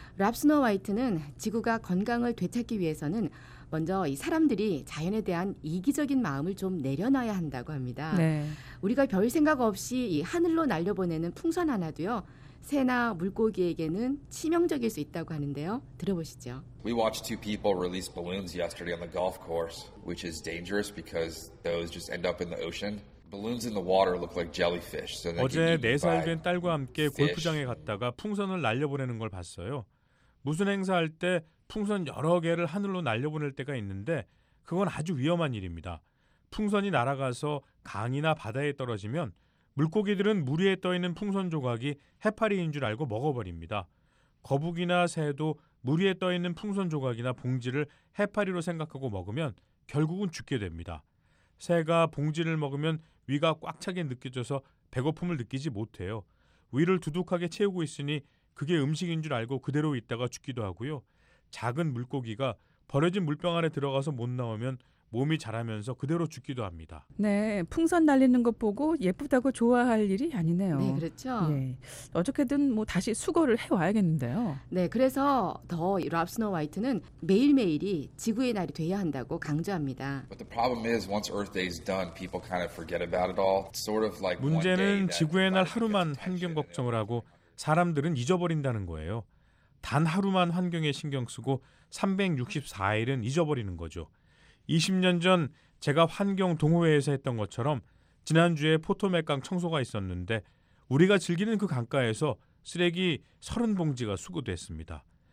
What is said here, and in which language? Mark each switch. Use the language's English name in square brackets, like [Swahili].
[Korean] 랍스노 화이트는 지구가 건강을 되찾기 위해서는 먼저 이 사람들이 자연에 대한 이기적인 마음을 좀 내려놔야 한다고 합니다. 네. 우리가 별 생각 없이 이 하늘로 날려보내는 풍선 하나도요, 새나 물고기에게는 치명적일 수 있다고 하는데요. 들어보시죠. [English] We watched two people release balloons yesterday on the golf course, which is dangerous because those just end up in the ocean. Balloons in the water look like jellyfish. [Korean] So 어제 4살 된 딸과 함께 골프장에 갔다가 풍선을 날려보내는 걸 봤어요. 무슨 행사할 때 풍선 여러 개를 하늘로 날려보낼 때가 있는데 그건 아주 위험한 일입니다. 풍선이 날아가서 강이나 바다에 떨어지면 물고기들은 물 위에 떠 있는 풍선 조각이 해파리인 줄 알고 먹어버립니다. 거북이나 새도 물 위에 떠 있는 풍선 조각이나 봉지를 해파리로 생각하고 먹으면 결국은 죽게 됩니다. 새가 봉지를 먹으면 위가 꽉 차게 느껴져서 배고픔을 느끼지 못해요. 위를 두둑하게 채우고 있으니 그게 음식인 줄 알고 그대로 있다가 죽기도 하고요. 작은 물고기가 버려진 물병 안에 들어가서 못 나오면 몸이 자라면서 그대로 죽기도 합니다. 네, 풍선 날리는 것 보고 예쁘다고 좋아할 일이 아니네요. 네, 그렇죠. 예, 어떻게든 뭐 다시 수거를 해와야겠는데요. 네, 그래서 더 랍스노 화이트는 매일매일이 지구의 날이 돼야 한다고 강조합니다. [English] But the problem is once Earth Day is done, people kind of forget about it all. Sort of like [Korean] 문제는 지구의 날 하루만 환경 걱정을 하고 사람들은 잊어버린다는 거예요. 단 하루만 환경에 신경 쓰고 364일은 잊어버리는 거죠. 20년 전 제가 환경 동호회에서 했던 것처럼 지난주에 포토맥강 청소가 있었는데 우리가 즐기는 그 강가에서 쓰레기 30봉지가 수거됐습니다.